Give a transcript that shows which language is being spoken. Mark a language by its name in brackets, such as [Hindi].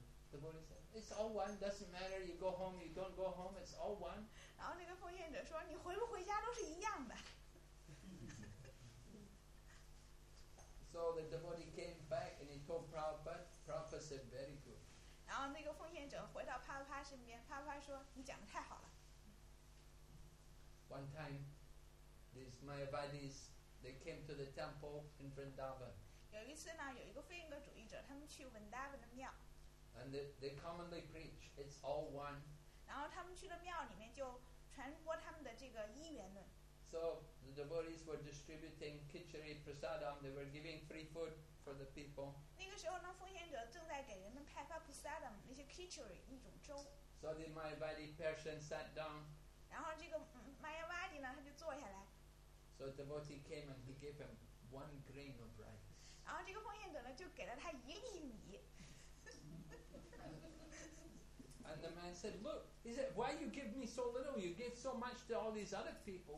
[English] The Buddha said, it's all one, doesn't matter, you go home, you don't go home, it's all one. [Chinese] 然后那个奉献者说，你回不回家都是一样的。 [English] So the devotee came back and he told Prabhupada, Prabhupada said, very good. [Chinese] 然后那个奉献者回到帕帕帕身边，帕帕帕说，你讲得太好了。 [English] One time, these Mayavadis, they came to the temple in Vrindavan. [Chinese] 有一次呢，有一个非应格主义者，他们去文达文的庙。 [English] And they commonly preach, it's all one. [Chinese] 然后他们去了庙里面就传播他们的这个一元论。 [English] So the devotees were distributing Khichdi Prasadam. They were giving free food for the people. [Chinese] 那个时候呢，奉献者正在给人们派发 Prasadam， 那些 Khichdi 一种粥。 [English] So the Mayavadi person sat down. [Chinese] 然后这个 Mayavadi 呢，他就坐下来。 [English] So the devotee came and he gave him one grain of rice. [Chinese] 然后这个奉献者呢，就给了他一粒米。 [English] And the man said, look, he said, why you give me so little? You give so much to all these other people.